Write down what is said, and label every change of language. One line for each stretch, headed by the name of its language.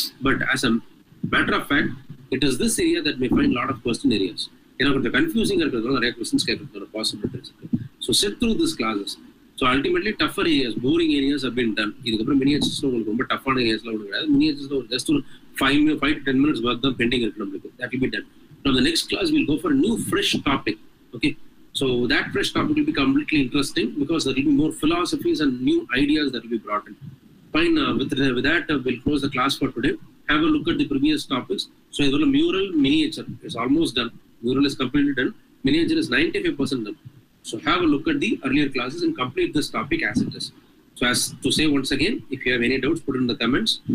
English: But as a matter of fact, it is this area that may find a lot of question areas. You know, but the confusing areas are possible. So sit through these classes.
Tamil: So ultimately tougher areas boring areas அப்படின்ட்டு இதுக்கப்புறம் மினியேச்சர்ஸ்ல உங்களுக்கு ரொம்ப டஃபான ஏரியாஸ்ல ஒன்று கிடையாது. மினியேச்சர்ஸ்ல ஒரு just ஒரு five to ten minutes work தான் bending இருக்கு நம்மளுக்கு.
English: That will be done. So அந்த next class will go for new fresh topic. Okay, so that fresh topic will be completely interesting because that will be more philosophies and new ideas that will be brought in. Fine, with that will close the class for today. Have a look at the previous topics. So இதுல mural miniature is almost done, mural is completely done, miniature is 95% done. So have a look at the earlier classes and complete this topic as it is. So as to say once again, if you have any doubts, put it in the comments.